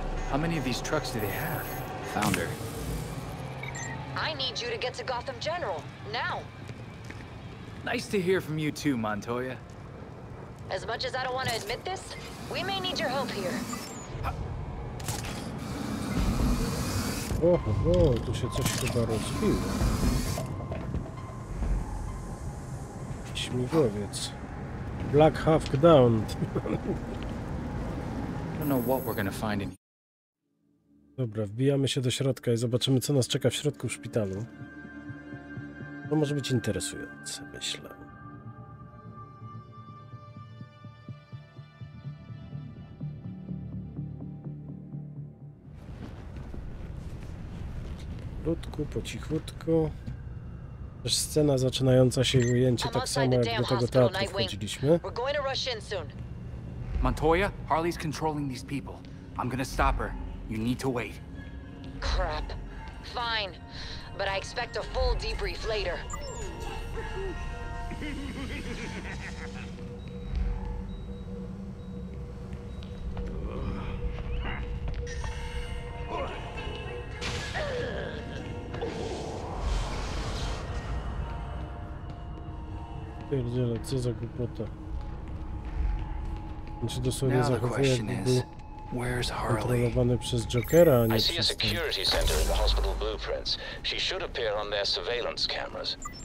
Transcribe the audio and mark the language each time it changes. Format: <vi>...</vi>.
<en>How many of these trucks do they have? Founder. I need you to get to Gotham General. Now. Nice to hear from you too, Montoya. As much as I don't want to admit this, we may need your help here.</en> <pl>Oh, tu się coś chyba rozbiło. Śmigłowiec.</pl> <en>Black half downed. I don't know what we're gonna find in.</en> <pl>Dobra, wbijamy się do środka i zobaczymy, co nas czeka w środku w szpitalu. To może być interesujące, myślę. Krótko, po cichutku. Też scena zaczynająca się i ujęcie tak samo jak do tego teatru wchodziliśmy.</pl> <en>Montoya, Harley's controlling these people. I'm gonna stop her. You need to wait. Crap. Fine. But I expect a full debrief later.</en> <pl>Okej. Pierdziele, co za głupota. On się dosłownie zachowuje, jakby był kontrolowany przez Jokera, a nie przez...</pl> <en>I see a security center in the hospital blueprints. She should appear on their surveillance cameras.</en>